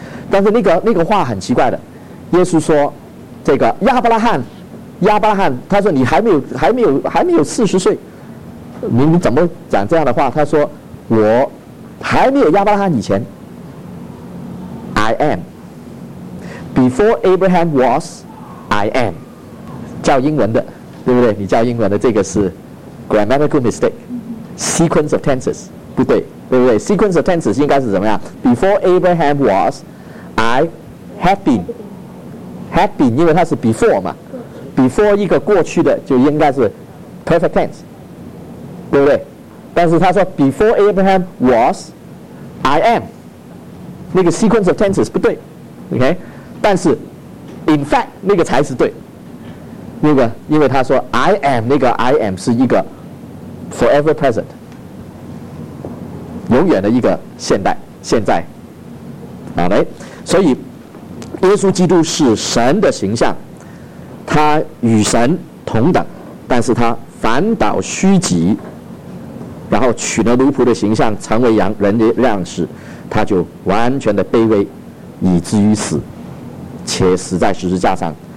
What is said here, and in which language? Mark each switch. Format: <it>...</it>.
<zh>但是那个话很奇怪的，耶稣说这个亚伯拉罕他说你还没有40岁，你怎么讲这样的话，他说我还没有亚伯拉罕以前</zh> <en>I am Before Abraham was I am，</en> <zh>叫英文的对不对，你叫英文的这个是</zh> <en>grammatical mistake， sequence of tenses</en> <zh>不对，对不对？</zh> <en>sequence of tenses</en> <zh>应该是怎么样？</zh> <en>Before Abraham was I have been， have been</en> <zh>因为它是</zh> <en>before 嘛， before</en> <zh>一个过去的就应该是</zh> <en>perfect tense</en> <zh>对不对？但是他说</zh> <en>before Abraham was I am， 那个 sequence of tenses</en> <zh>不对。 OK， 但是</zh> <en>in fact</en> <zh>那个才是对，那个因为他说 I am， 那个 I am 是一个</zh> <en>forever present，</en> <zh>永远的一个现在。好嘞，所以耶稣基督是神的形象，他与神同等，但是他反倒虚己，然后取了奴仆的形象，成为羊人的样式，他就完全的卑微，以至于死，且死在十字架上。</zh>